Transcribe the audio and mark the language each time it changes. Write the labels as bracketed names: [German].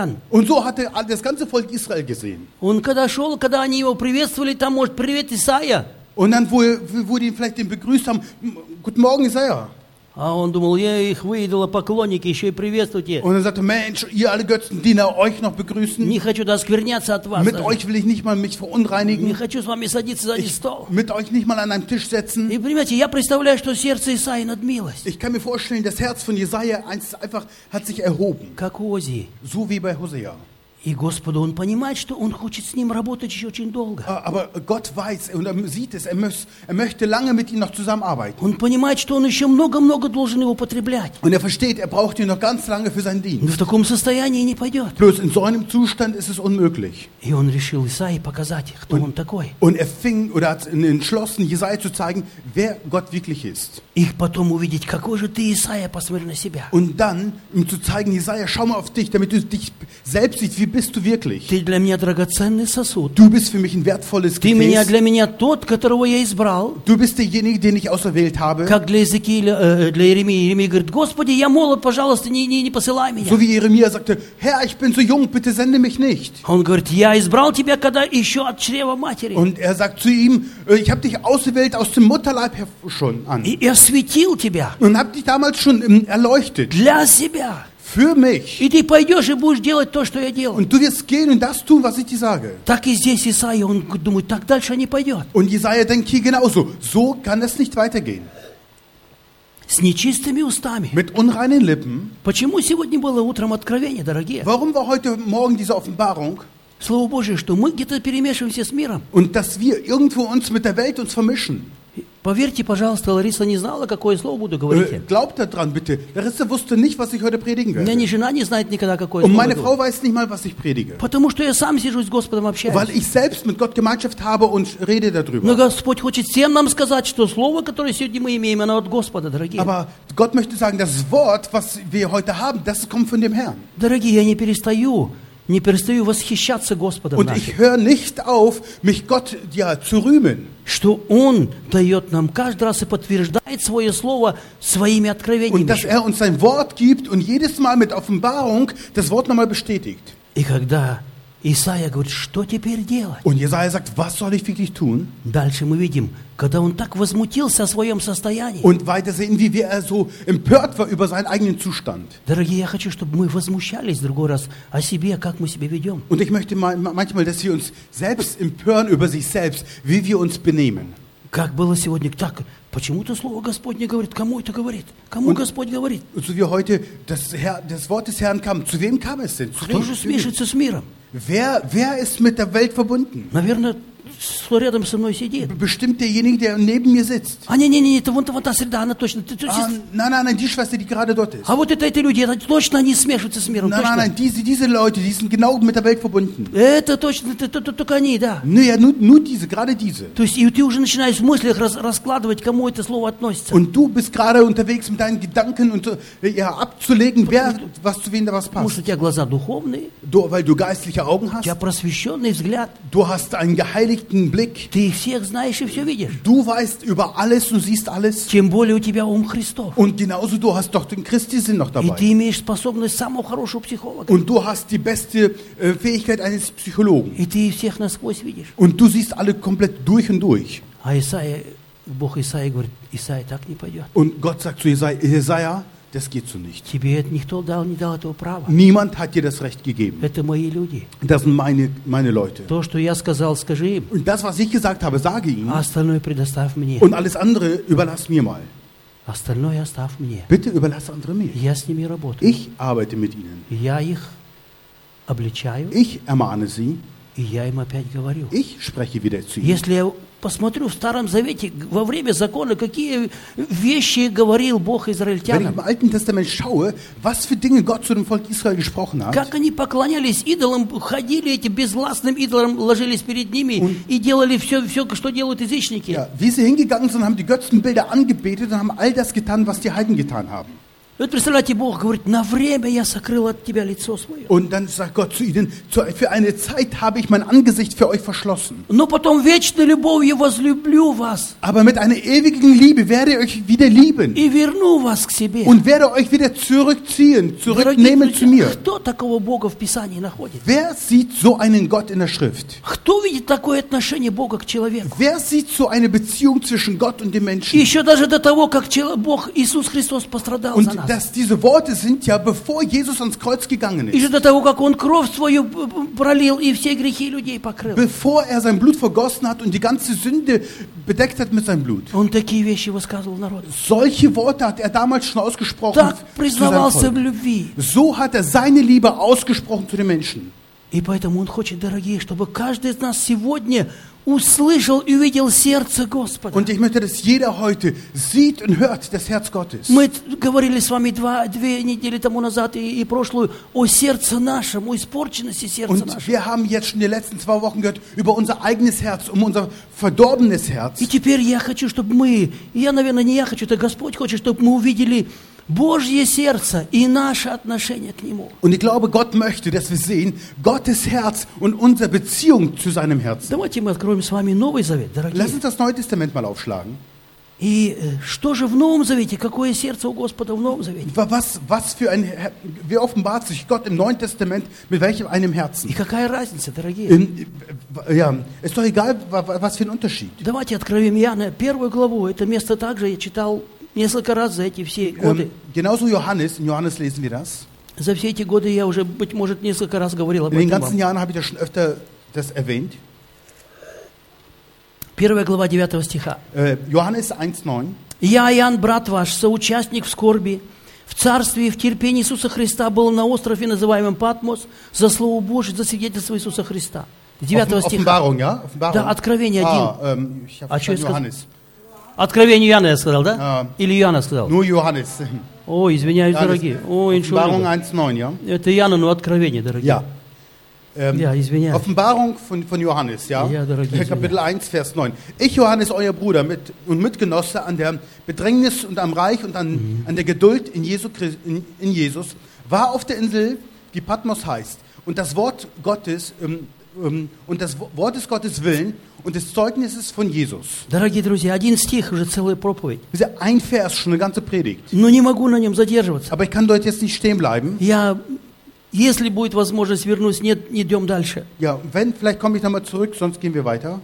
[German] Und so hat er das ganze Volk Israel gesehen. Und als er ging, als sie ihn begrüßten, da sagte er, [Russian] Привет, Исайя. [German] Und dann, wo die ihn vielleicht begrüßt haben, Guten Morgen, Jesaja. [Russian] А он думал, я их выедала поклонники, еще и приветствуйте. [German] Und er sagte, Mensch, ihr alle Götzendiener, euch noch begrüßen. [Russian] Не хочу доскверняться от вас. [German] Mit euch will ich nicht mal mich verunreinigen. [Russian] Не хочу с вами садиться за один стол. [German] Mit euch nicht mal an einem Tisch setzen. [Russian] И понимаете, я представляю, что сердце Исаии надмилось. [German] Ich kann mir vorstellen, das Herz von Jesaja einfach hat sich erhoben. [Russian] Как у Озии. [German] So wie bei Hosea. [Russian] И Господу он понимает, что он хочет с ним работать еще очень долго. [German] Aber Gott weiß und er sieht es, er möchte lange mit ihm noch zusammenarbeiten. [Russian] Он понимает, что он еще много-много должен его потреблять. [German] Und er versteht, er braucht ihn noch ganz lange für seinen Dienst. [Russian] Но в таком состоянии не пойдет. [German] Bloß in so einem Zustand ist es unmöglich. [Russian] И он решил Исаии показать, кто он такой. [German] Und er fing oder hat entschlossen, Jesaja zu zeigen, wer Gott wirklich ist. [Russian] И потом увидеть, какой же ты, Исаия, посмотри на себя. [German] Und dann ihm zu zeigen, Jesaja, schau mal auf dich, damit du dich selbst siehst, wie bist du wirklich? [Russian] Ты для меня драгоценный сосуд. [German] Du bist für mich ein wertvolles Gefäß. [Russian] Ты меня для меня тот, которого я избрал. [German] Du bist derjenige, den ich auserwählt habe. [Russian] Как для Иезекииля, для Иеремии. Иеремия говорит: Господи, я молод, пожалуйста, не посылай меня. [German] So wie Jeremia sagte: Herr, ich bin so jung, bitte sende mich nicht. [Russian] Он говорит: Я избрал тебя, когда еще от чрева матери. [German] Und er sagt zu ihm: Ich habe dich auserwählt aus dem Mutterleib schon an. [Russian] И осветил тебя. [German] Und habe dich damals schon erleuchtet. [Russian] Для себя. [German] Für mich. [Russian] И ты пойдешь и будешь делать то, что я делаю. [German] Und du wirst gehen und das tun, was ich dir sage. [Russian] Так и здесь Исаия, он думает, так дальше не пойдет. [German] Und Jesaja denkt hier genauso. So kann es nicht weitergehen. [Russian] С нечистыми устами. [German] Mit unreinen Lippen. [Russian] Почему сегодня было утром откровение, дорогие? [German] Warum war heute Morgen diese Offenbarung? [Russian] Слово Божие, что мы где-то перемешиваемся с миром. [German] Und dass wir irgendwo uns mit der Welt uns vermischen. [Russian] Поверьте, пожалуйста, Лариса не знала, какое слово буду говорить. [German] Glaubt daran bitte. Лариса wusste nicht, was ich heute predigen werde. Meine Frau [Russian] не знает никогда, какое слово. [German] Und meine Frau weiß nicht mal, was ich predige. [Russian] Потому что я сам сижу с Господом общаюсь. [German] Weil ich selbst mit Gott Gemeinschaft habe und rede darüber. [Russian] Но Господь хочет всем нам сказать, что слово, которое сегодня мы имеем, оно от Господа, дорогие. [German] Aber Gott möchte sagen, das Wort, was wir heute haben, das kommt von dem Herrn. [Russian] Дорогие, я не перестаю. Не перестаю восхищаться Господом. [German] Und ich höre nicht auf, mich Gott ja zu rühmen. [Russian] Что Он дает нам каждый раз и подтверждает Свое Слово своими откровениями. [German] Und dass er uns sein Wort gibt und jedes Mal mit Offenbarung das Wort nochmal bestätigt. [Russian] И когда Исаия говорит, что теперь делать? [German] Und Jesaja sagt, was soll ich wirklich tun? [Russian] Дальше мы видим, когда он так возмутился о своем состоянии. [German] Und weiter sehen wir, wie er so empört war über seinen eigenen Zustand. [Russian] Дорогие, я хочу, чтобы мы возмущались в другой раз о себе, как мы себя ведем. [German] Und ich möchte manchmal, dass wir uns selbst empören über sich selbst, wie wir uns benehmen. [Russian] Как было сегодня так? Почему-то слово Господне говорит, кому это говорит? Кому und, Господь говорит? [German] So wie heute das, Herr, das Wort des Herrn kam, zu wem kam es denn? [Russian] Zu Кто же смешивается с миром? [German] Wer ist mit der Welt verbunden? [Russian] Наверное, рядом со мной сидит. [German] Bestimmt derjenige, der neben mir sitzt. [Russian] А, не, это вон та среда, она точно. [German] Nein, die Schwester, die gerade dort ist. [Russian] А вот это люди, это точно они смешиваются с миром. [German] Nein, diese Leute, die sind genau mit der Welt verbunden. [Russian] Это точно, это только они, да. [German] Nur diese, gerade diese. [Russian] То есть, и ты уже начинаешь в мыслях раскладывать, кому это слово относится. [German] Und du bist gerade unterwegs mit deinen Gedanken und ja, abzulegen, wer, was zu wem da was passt. [Russian] Может, у тебя глаза духовные? [German] Weil du geistliche Augen hast. [Russian] У тебя просвещенный взгляд. [German] Du hast einen geheiligten Blick. [Russian] Ты всех знаешь и все видишь. [German] Du weißt über alles und siehst alles. [Russian] Тем более у тебя ум Христов. [German] Und genauso du hast doch den Christi-Sinn noch dabei. [Russian] И ты имеешь способность самого хорошего психолога. [German] Und du hast die beste Fähigkeit eines Psychologen. [Russian] И ты всех насквозь видишь. [German] Und du siehst alle komplett durch und durch. [Russian] А Исаия, Бог Исаия говорит, Исаия, так не пойдет. [German] Und Gott sagt zu Jesaja, das geht so nicht. [Russian] Тебе это никто дал, не дал этого права. [German] Niemand hat dir das Recht gegeben. [Russian] Это мои люди. [German] Das sind meine Leute. [Russian] То, что я сказал, скажи им. [German] Und das, was ich gesagt habe, sage ihnen. [Russian] А остальное предоставь мне. [German] Und alles andere überlass mir mal. [Russian] Остальное оставь мне. [German] Bitte überlass andere mir. [Russian] Я с ними работаю. [German] Ich arbeite mit ihnen. [Russian] Я их обличаю. [German] Ich ermahne sie. [Russian] И я им опять говорю. [German] Ich spreche wieder zu ihnen. [Russian] Если посмотрю в Старом Завете во время закона, какие вещи говорил Бог израильтянам. [German] Wenn ich im Alten Testament schaue, was für Dinge Gott zu dem Volk Israel gesprochen hat. [Russian] Как они поклонялись идолам, ходили эти безвластным идолам, ложились перед ними и делали все, что делают язычники. [German] Ja, wie sie hingegangen sind, haben die Götzenbilder angebetet und haben all das getan, was die Heiden getan haben. [Russian] Вот представляете, Бог говорит: на время я сокрыл от тебя лицо свое. [German] Und dann sagt Gott zu ihnen: für eine Zeit habe ich mein Angesicht für euch verschlossen. [Russian] Но потом вечной любовью возлюблю вас. [German] Aber mit einer ewigen Liebe werde ich euch wieder lieben. [Russian] И верну вас к себе. [German] Und werde euch wieder zurückziehen, zurücknehmen zu mir. [Russian] Кто такого Бога в Писании находит? [German] Wer sieht so einen Gott in der Schrift? [Russian] Кто видит такое отношение Бога к человеку? [German] Wer sieht so eine Beziehung zwischen Gott und dem Menschen? [Russian] Еще даже до того, как Бог Иисус Христос пострадал за нас. [German] Dass diese Worte sind ja, bevor Jesus ans Kreuz gegangen ist. [Russian] И до того, как он кровь свою пролил и все грехи людей покрыл. [German] Bevor er sein Blut vergossen hat und die ganze Sünde bedeckt hat mit seinem Blut. [Russian] Он такие вещи высказывал народу. [German] Solche Worte hat er damals schon ausgesprochen. [Russian] Так признавался в любви. [German] So hat er seine Liebe ausgesprochen zu den Menschen. [Russian] И поэтому он хочет, дорогие, чтобы каждый из нас сегодня услышал и увидел сердце Господа. [German] Und ich möchte, dass jeder heute sieht und hört das Herz Gottes. [Russian] Мы говорили с вами две недели тому назад и прошлую о сердце нашем, о испорченности сердца нашего. [German] Und wir haben jetzt schon die letzten zwei Wochen gehört über unser eigenes Herz, unser verdorbenes Herz. [Russian] И теперь я хочу, чтобы мы, я, наверное, не я хочу, это Господь хочет, чтобы мы увидели Божье сердце и наше отношение к Нему. [German] Und ich glaube, Gott möchte, dass wir sehen Gottes Herz und unsere Beziehung zu seinem Herzen. [Russian] Давайте мы откроем с вами Новый Завет, дорогие. [German] Lass uns das Neue Testament mal aufschlagen. [Russian] И что же в Новом Завете? Какое сердце у Господа в Новом Завете? [German] Was für ein, wie offenbart sich Gott im Neuen Testament mit welchem einem Herzen? [Russian] И какая разница, дорогие? [German] Ja, ist doch egal, was für ein Unterschied. [Russian] Давайте откроем Иоанна первую главу. Это место также я читал несколько раз за эти все годы. [German] Genauso Johannes, in Johannes lesen wir das. [Russian] За все эти годы я уже, быть может, несколько раз говорил об этом. [German] In den ganzen Jahren habe ich das schon öfter das erwähnt. [Russian] Первая глава 9 стиха. [German] Johannes 1:9. [Russian] Я, Иоанн, брат ваш, соучастник в скорби, в царстве и в терпении Иисуса Христа, был на острове, называемом Патмос, за Слово Божие, за свидетельство Иисуса Христа. 9 стиха. [German] Offenbarung, ja? Offenbarung. [Russian] Да, Откровение 1. А что я сказал? Откровение Иоанна я сказал, да? Или Иоанна сказал? Ну, Иоаннес. О, извиняюсь, дорогие. О, [German] Offenbarung 1:9, ja? [Russian] Это Иоанна, но Откровение, дорогие. [German] Ja. [Russian] Ja, извиняюсь. [German] Offenbarung von Johannes, ja? [Russian] Ja, дорогие, [German] Kapitel 1, Vers 9. Ich, Johannes, euer Bruder und Mitgenosse an der Bedrängnis und am Reich und an der Geduld in Jesus, war auf der Insel, die Patmos heißt, und das Wort Gottes und das Wort des Gottes Willen und des Zeugnisses von Jesus. [Russian] Дорогие друзья, один стих уже целая проповедь. [German] Ein Vers, schon eine ganze Predigt. [Russian] Но не могу на нем задерживаться. [German] Aber ich kann dort jetzt nicht stehen bleiben. [Russian] Я, если будет возможность, вернусь. Нет, не идем дальше. [German] Ja, wenn, vielleicht komme ich nochmal zurück, sonst gehen wir weiter.